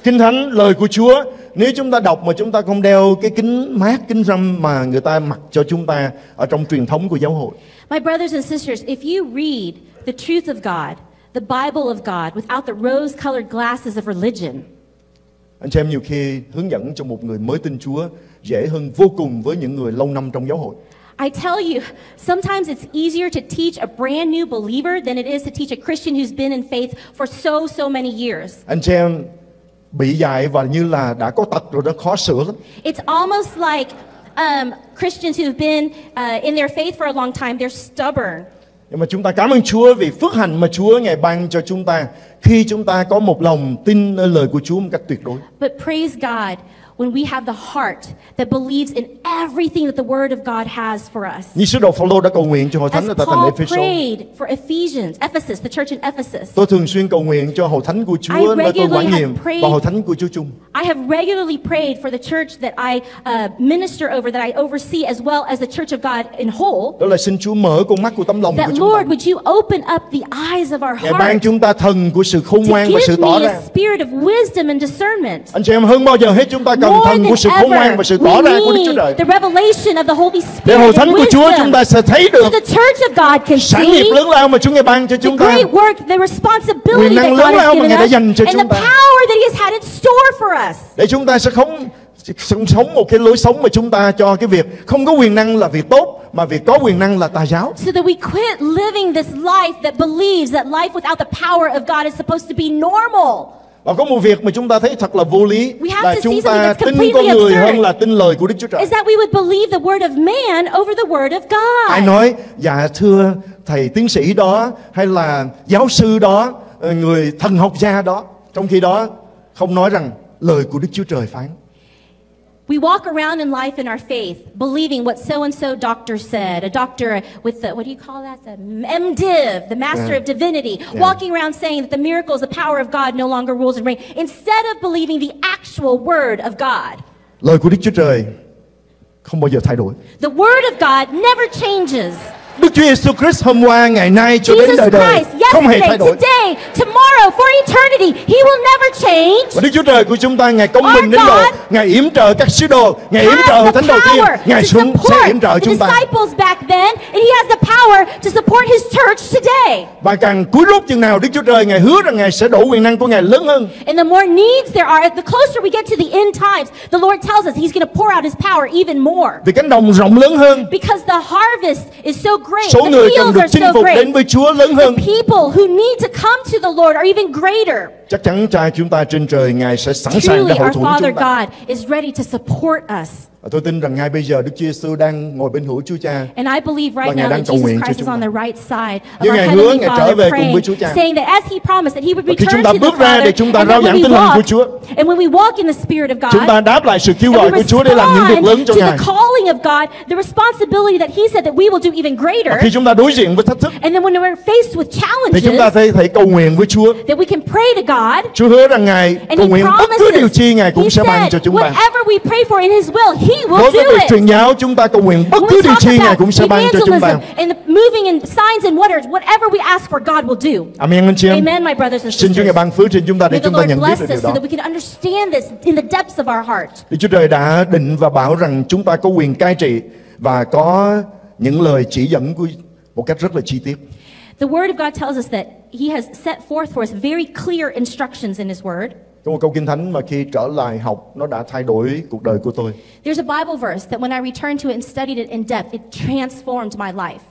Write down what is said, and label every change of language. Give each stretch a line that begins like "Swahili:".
Vietnamese: Kinh Thánh, lời của Chúa, nếu chúng ta đọc mà chúng ta không đeo cái kính mát, kính râm mà người ta mặc cho chúng ta ở trong truyền thống của giáo hội.
English: My brothers and sisters, if you read the truth of God, the Bible of God, without the rose-colored glasses of religion.
Vietnamese: Anh chị em, nhiều khi hướng dẫn cho một người mới tin Chúa dễ hơn vô cùng với những người lâu năm trong giáo hội.
English: I tell you, sometimes it's easier to teach a brand new believer than it is to teach a Christian who's been in faith for so many years.
Vietnamese: Anh chị em bị dạy và như là đã có tật rồi đó, khó sửa lắm.
English: It's almost like Christians who've been in their faith for a long time, they're stubborn.
Vietnamese: Nhưng mà chúng ta cảm ơn Chúa vì phước hạnh mà Chúa ngài ban cho chúng ta khi chúng ta có một lòng tin nơi lời của Chúa một cách tuyệt đối.
English: But praise God when we have the heart that believes in everything that the word of God has for us.
Vietnamese: Như sứ đồ Phaolô đã cầu nguyện cho hội thánh ở tại thành Ephesus.
English: Prayed for Ephesians, Ephesus, the church in Ephesus.
Vietnamese: Tôi thường xuyên cầu nguyện cho hội thánh của Chúa và tôi quản nhiệm và hội thánh của Chúa chung.
English: I have regularly prayed for the church that I minister over, that I oversee, as well as the church of God in whole.
Vietnamese: Đó là xin Chúa mở con mắt của tâm lòng của chúng ta.
English: That Lord, would you open up the eyes of our hearts?
Vietnamese: Ban chúng ta thần của sự khôn ngoan và sự tỏ ra.
English: To give me a spirit of wisdom and discernment.
Vietnamese: Anh chị em hơn bao giờ hết chúng ta cần
English: more than
Vietnamese: của sự
English: ever,
Vietnamese: khôn ngoan và sự tỏ ra của Đức Chúa Trời.
English: The revelation of the Holy Spirit.
Vietnamese: Để hội thánh của Chúa chúng ta sẽ thấy được.
English: So the church of God can see.
Vietnamese: Sản nghiệp lớn lao mà Chúa ngài ban cho chúng ta.
English: The great work, the responsibility that God has given us. And the power that He has had in store for us.
Vietnamese: Để chúng ta sẽ không sống một cái lối sống mà chúng ta cho cái việc không có quyền năng là việc tốt mà việc có quyền năng là tà giáo.
English: So that we quit living this life that believes that life without the power of God is supposed to be normal.
Vietnamese: Và có một việc mà chúng ta thấy thật là vô lý là chúng ta tin con người hơn là tin lời của Đức Chúa Trời.
English: Is that we would believe the word of man over the word of God?
Vietnamese: Ai nói, dạ thưa thầy tiến sĩ đó hay là giáo sư đó, người thần học gia đó, trong khi đó không nói rằng lời của Đức Chúa Trời phán.
English: We walk around in life in our faith, believing what so and so doctor said, a doctor with the, what do you call that, the MDiv, the Master of Divinity, walking around saying that the miracles, the power of God no longer rules and reigns, instead of believing the actual word of God.
Vietnamese: Lời của Đức Chúa Trời không bao giờ thay đổi.
English: The word of God never changes.
Vietnamese: Đức Chúa Jesus Christ hôm qua, ngày nay cho đến đời đời không hề thay đổi.
English: Today, tomorrow, for eternity, He will never change.
Vietnamese: Và Đức Chúa Trời của chúng ta, ngài công minh đến độ ngài yểm trợ các sứ đồ, ngài yểm trợ thánh đầu tiên, ngài xuống sẽ yểm trợ chúng ta.
English: Disciples back then, and He has the power to support His church today.
Vietnamese: Và càng cuối lúc chừng nào Đức Chúa Trời ngài hứa rằng ngài sẽ đổ quyền năng của ngài lớn hơn.
English: And the more needs there are, the closer we get to the end times, the Lord tells us He's going to pour out His power even more.
Vietnamese: Vì cánh đồng rộng lớn hơn.
English: Because the harvest is so great.
Vietnamese: Số người cần được chinh phục đến với Chúa lớn hơn.
English: The people who need to come to the Lord are even greater.
Vietnamese: Chắc chắn cha chúng ta trên trời ngài sẽ sẵn sàng để hậu thuẫn chúng ta.
English: Our Father God is ready to support us.
Vietnamese: Tôi tin rằng ngay bây giờ Đức Chúa Giêsu đang ngồi bên hữu Chúa Cha.
English: And I believe right now that Jesus Christ is on the right side.
Vietnamese: Nhưng ngài hứa ngài trở về cùng với Chúa Cha.
English: Saying that as He promised that He would return.
Vietnamese: Khi chúng ta bước ra để chúng ta rao giảng tin lành của Chúa.
English: And when we walk in the Spirit of God.
Vietnamese: Chúng ta đáp lại sự kêu gọi của Chúa để làm những việc lớn cho ngài.
English: To the calling of God, the responsibility that He said that we will do even greater.
Vietnamese: Khi chúng ta đối diện với thách thức.
English: And then when we're faced with challenges.
Vietnamese: Thì chúng ta thấy cầu nguyện với Chúa.
English: That we can pray to God.
Vietnamese: Chúa hứa rằng ngài cầu nguyện bất cứ điều chi ngài cũng sẽ ban cho chúng ta.
English: Whatever we pray for in His will.
Vietnamese: Đối với việc truyền giáo, chúng ta cầu nguyện bất cứ điều chi ngài cũng sẽ ban cho chúng ta.
English: Moving in signs and wonders, whatever we ask for, God will do. Amen, my brothers and sisters.
Vietnamese: Xin Chúa ngài ban phước trên chúng ta để chúng ta nhận biết điều đó.
English: So that we can understand this in the depths of our heart.
Vietnamese: Đức Chúa Trời đã định và bảo rằng chúng ta có quyền cai trị và có những lời chỉ dẫn của một cách rất là chi tiết.
English: The word of God tells us that He has set forth for us very clear instructions in His word.
Vietnamese: Có một câu kinh thánh mà khi trở lại học nó đã thay đổi cuộc đời của tôi.
English: There's a Bible verse that when I returned to it and studied it in depth, it transformed my life.